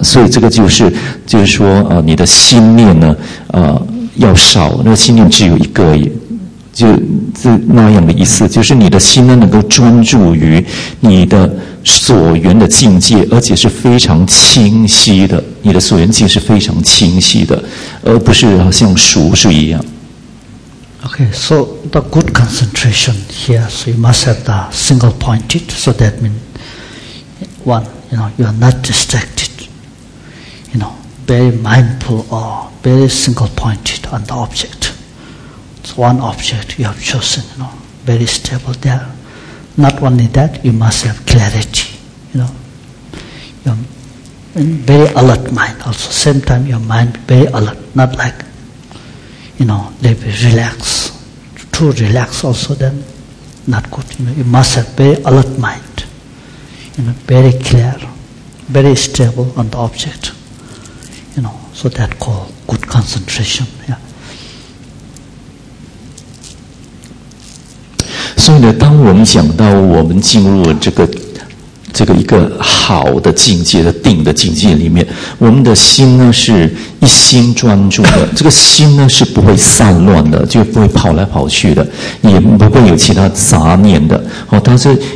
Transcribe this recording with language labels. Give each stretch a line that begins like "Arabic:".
Chinese: 所以这个就是说你的心念呢，要少，那个心念只有一个也。就是那样的意思，就是你的心呢能够专注于你的所缘的境界，而且是非常清晰的，你的所缘境是非常清晰的，而不是像熟睡一样。
English: OK, so the good concentration here, so you must have the single pointed, so that means one, you know, you are not distracted, you know, very mindful or very single pointed on the object. One object you have chosen, you know, very stable there. Not only that, you must have clarity, you know. You're in very alert mind also. Same time, your mind very alert, not like, you know, maybe relax. Too relaxed also then, not good. You know, you must have very alert mind, you know, very clear, very stable on the object, you know, so that's called good concentration, yeah.
Chinese: 所以呢，当我们讲到我们进入了这个一个好的境界的定的境界里面，我们的心呢是一心专注的，这个心呢是不会散乱的，就不会跑来跑去的，也不会有其他杂念的，它是